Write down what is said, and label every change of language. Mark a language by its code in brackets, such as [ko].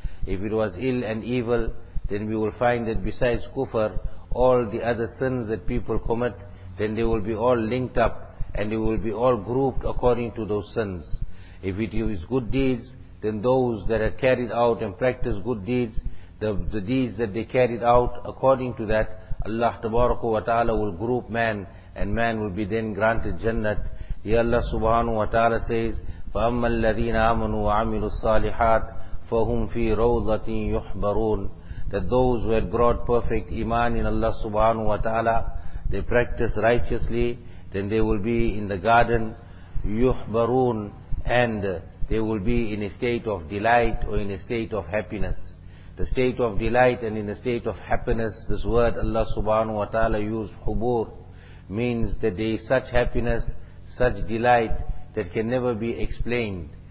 [en] If it was ill and evil, then we will find that besides kufr, all the other sins that people commit, then they will be all linked up and they will be all grouped according to those sins. If it is good deeds, then those that are carried out and practice good deeds, the deeds that they carried out according to that, Allah tabaraka wa ta'ala will group man and man will be then granted jannat. [ar] Ya Allah subhanahu wa ta'ala says, فَأَمَّا الَّذِينَ آمَنُوا وَعَمِلُوا الصَّالِحَاتِ فَهُمْ فِي رَوْضَةٍ يُحْبَرُونَ. [en] That those who had brought perfect iman in Allah subhanahu wa ta'ala, they practice righteously, then they will be in the garden, yuhbarun, and they will be in a state of delight or in a state of happiness. The state of delight and in a state of happiness, this word Allah subhanahu wa ta'ala used, hubur, means that there is such happiness, such delight, that can never be explained.